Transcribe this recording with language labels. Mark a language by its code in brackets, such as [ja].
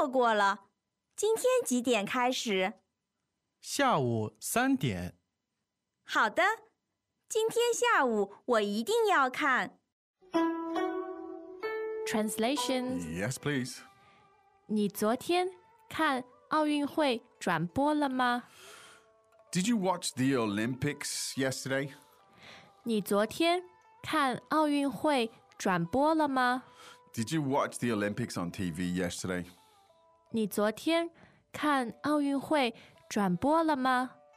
[zh] 下午3点。好的，今天下午我一定要看。 [en] Translation. Yes, please. [zh] 你昨天看奥运会转播了吗? [en] Did you watch the Olympics yesterday? [zh] 你昨天看奥运会转播了吗? [en] Did you watch the Olympics on TV yesterday? [zh] 你昨天看奥运会转播了吗?转播了吗?